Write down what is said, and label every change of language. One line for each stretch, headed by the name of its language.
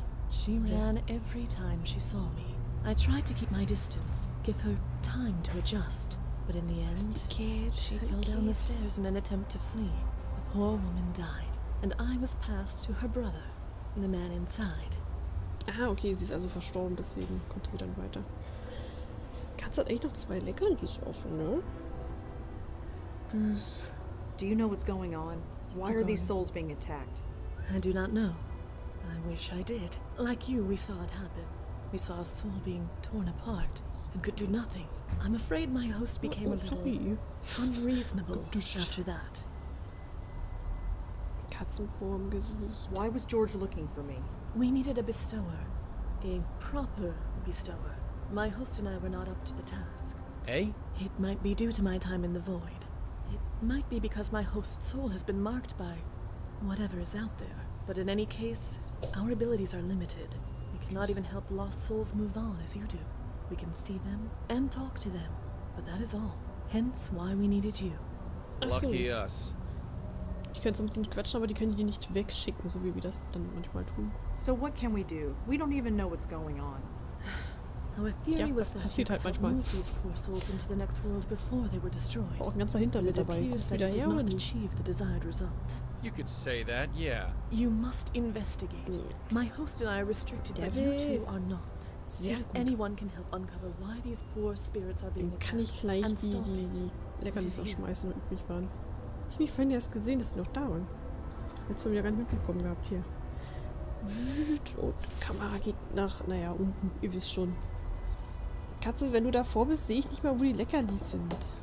English: She ran every time she saw me. I tried to keep my distance, give her time to adjust. But in the end, she fell down the stairs in an attempt to flee. The poor woman died, and I was passed to her brother, the man inside.
German: Ah, okay, sie ist also verstorben, deswegen konnte sie dann weiter. Katze hat eigentlich noch 2 Leckerlis offen, ne?
English: Do you know what's going on? Why are these souls being attacked? I do not know. I wish I did. Like you, we saw it happen. We saw a soul being torn apart and could do nothing. I'm afraid my host became a little unreasonable after that.
German: Katzenpo im Gesicht.
English: Why was George looking for me? We needed a bestower. A proper bestower. My host and I were not up to the task. Eh? It might be due to my time in the void. It might be because my host's soul has been marked by whatever is out there. But in any case, our abilities are limited. We cannot even help lost souls move on as you do. We can see them and talk to them. But that is all. Hence why we needed you. Lucky us.
German: Ich könnte so mit denen quatschen, aber die können die nicht wegschicken, so wie wir das dann manchmal tun.
English: So what can we do? We don't even know what's going on. Our theory
German: ja,
English: was
German: das passiert halt manchmal. Auch ein ganzer Hinterlid dabei. Kommst du wieder her, oder?
English: You could say that, yeah. You must investigate. Yeah. My host and I are restricted, but you two are not.
German: Sehr gut.
English: Anyone can help uncover why these poor spirits are being attacked.
German: Dann kann ich gleich die Leckerlis ausschmeißen, wenn übrig waren. Ich habe mich vorhin erst gesehen, dass sie noch da waren. Jetzt haben wir ja gar nicht mitbekommen gehabt hier. Und Kamera geht nach, naja, unten. Ihr wisst schon. Katze, wenn du davor bist, sehe ich nicht mal, wo die Leckerlis sind.